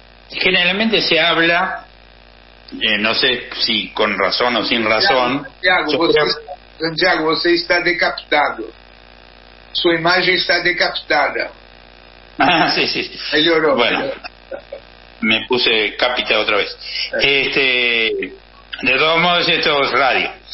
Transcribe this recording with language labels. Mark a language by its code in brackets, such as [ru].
[es] Generalmente se habla, no sé si con razón o sin razón. [pt] Santiago, você está decapitado. [es] Su imagen está decapitada. Ah, sí, sí. [pt] Melhorou. [es] Bueno, me puse cápita otra vez. De todos modos, esto es radio.